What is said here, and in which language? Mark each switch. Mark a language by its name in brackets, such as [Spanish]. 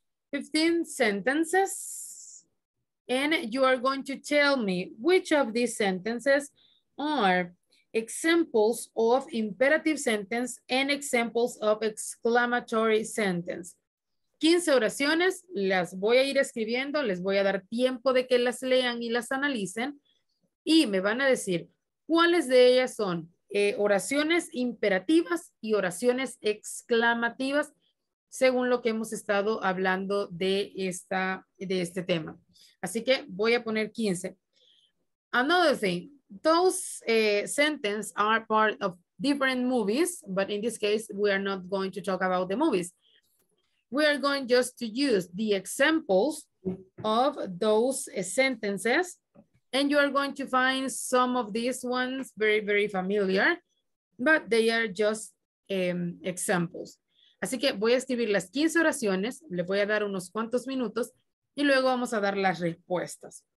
[English] 15 sentences, and you are going to tell me which of these sentences are examples of imperative sentence and examples of exclamatory sentence. [Spanish] 15 oraciones, las voy a ir escribiendo, les voy a dar tiempo de que las lean y las analicen, y me van a decir cuáles de ellas son oraciones imperativas y oraciones exclamativas, según lo que hemos estado hablando de este tema. Así que voy a poner 15. [English] Another thing, those sentences are part of different movies, but in this case, we are not going to talk about the movies. We are going just to use the examples of those sentences. And you are going to find some of these ones very, very familiar, but they are just examples. [Spanish] Así que voy a escribir las 15 oraciones, le voy a dar unos cuantos minutos, y luego vamos a dar las respuestas.